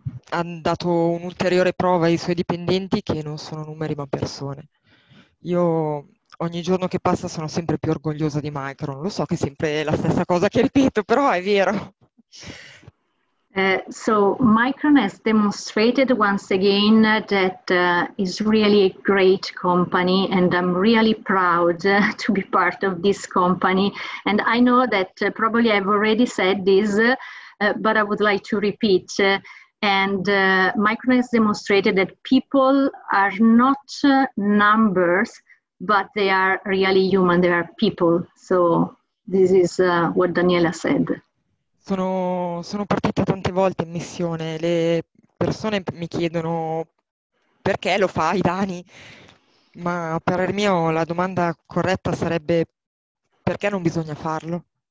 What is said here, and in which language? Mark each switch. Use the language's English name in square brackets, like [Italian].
[Italian] Ha dato un'ulteriore prova ai suoi dipendenti che non sono numeri ma persone. Io ogni giorno che passa sono sempre più orgogliosa di Micron. Lo so che è sempre la stessa cosa che ripeto, però è vero. [English] So Micron has demonstrated once again that is really a great company, and I'm really proud to be part of this company. And I know that probably I've already said this, but I would like to repeat. Micron has demonstrated that people are not numbers, but they are really human, they are people. So this is what Daniela said. [Italian] Sono partita tante volte in missione, le persone mi chiedono perché lo fai, Dani, ma per il mio la domanda corretta sarebbe perché non bisogna farlo.